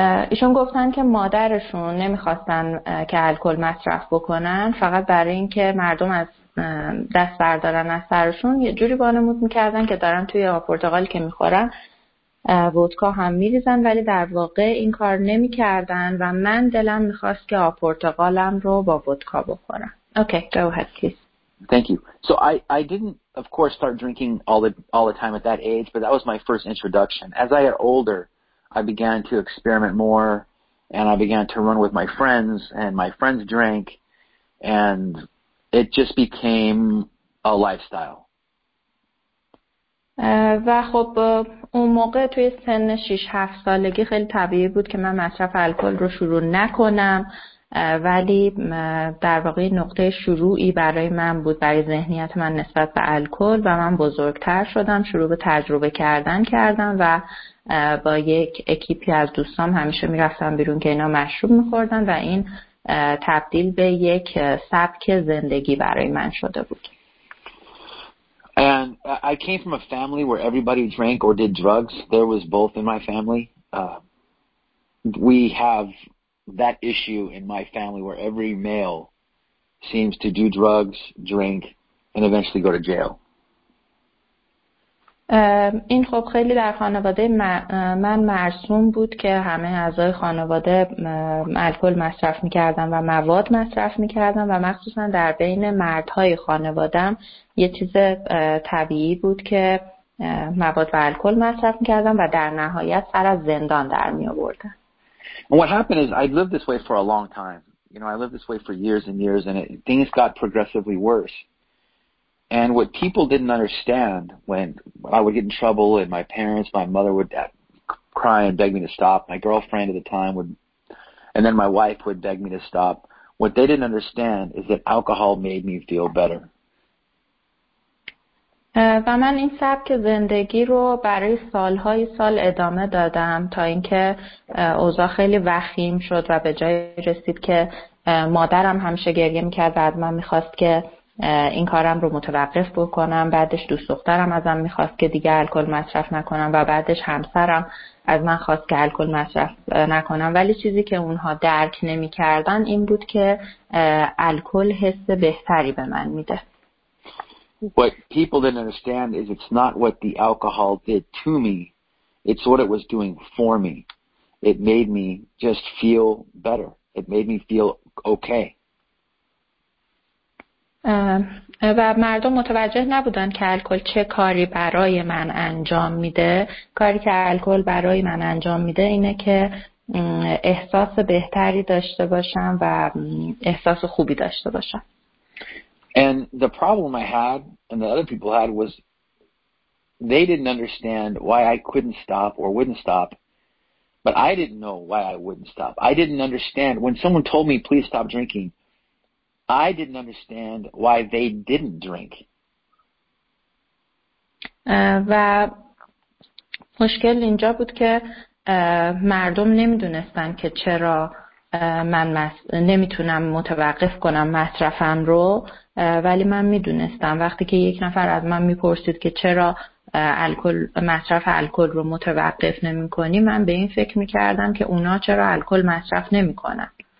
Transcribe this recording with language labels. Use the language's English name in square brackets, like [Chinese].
[Persian] ایشون گفتن که مادرشون نمیخواستن که الکل مصرف بکنن، فقط برای اینکه مردم از دست بردارن از سرشون، یه جوری بانمود میکردن که دارن توی آب پرتقال که میخورن ودکا هم میریزن، ولی در واقع این کار نمیکردن و من دلم میخواست که آب پرتقالم رو با ودکا بخورم. [English] Okay, go ahead, please. Thank you. So I didn't, of course, start drinking all the time at that age, but that was my first introduction. As I got older, I began to experiment more, and I began to run with my friends, and my friends drank, and it just became a lifestyle. [Persian] و خب اون موقع توی سن 6-7 سالگی خیلی طبیعی بود که من مصرف الکل رو شروع نکنم، ولی در واقع نقطه شروعی برای من بود، برای ذهنیت من نسبت به الکل، و من بزرگتر شدم، شروع به تجربه کردن کردم و با یک اکیپی از دوستام همیشه میرفتم بیرون که اینا مشروب میخوردن و این تبدیل به یک سبک زندگی برای من شده بود. [English] And I came from a family where everybody drank or did drugs. There was both in my family. We have that issue in my family where every male seems to do drugs, drink, and eventually go to jail. [Persian] این خب خیلی در خانواده من مرسوم بود که همه اعضای خانواده الکل مصرف میکردن و مواد مصرف میکردن، و مخصوصا در بین مردهای خانوادم یه چیز طبیعی بود که مواد و الکل مصرف میکردن و در نهایت سر از زندان در میآوردن. [English] And what happened is I lived this way for a long time. You know, I lived this way for years and years, and things got progressively worse. And what people didn't understand, when I would get in trouble and my parents, my mother would cry and beg me to stop, my girlfriend at the time would, and then my wife would beg me to stop, what they didn't understand is that alcohol made me feel better. [Persian] و من این سبک زندگی رو برای سالهای سال ادامه دادم تا اینکه اوضاع خیلی وخیم شد و به جای رسید که مادرم همیشه گریه میکرد و از من میخواست که این کارم رو متوقف بکنم، بعدش دوست دخترم ازم میخواست که دیگه الکل مصرف نکنم، و بعدش همسرم از من خواست که الکل مصرف نکنم، ولی چیزی که اونها درک نمیکردن این بود که الکل حس بهتری به من میده. [English] What people didn't understand is it's not what the alcohol did to me, it's what it was doing for me. It made me just feel better. It made me feel okay. [Persian] و مردم متوجه نبودن که الکل چه کاری برای من انجام میده. کاری که الکل برای من انجام میده اینه که احساس بهتری داشته باشم و احساس خوبی داشته باشم. [English] And the problem I had and the other people had was they didn't understand why I couldn't stop or wouldn't stop, but I didn't know why I wouldn't stop. I didn't understand when someone told me, please stop drinking, I didn't understand why they didn't drink. [Persian] و مشکل اینجا بود که مردم نمیدونستن که چرا من نمیتونم متوقف کنم مصرفم رو، ولی من میدونستم وقتی که یک نفر از من میپرسید که چرا الکل مصرف الکل رو متوقف نمی‌کنی، من به این فکر می‌کردم که اونا چرا الکل مصرف نمی‌کنن.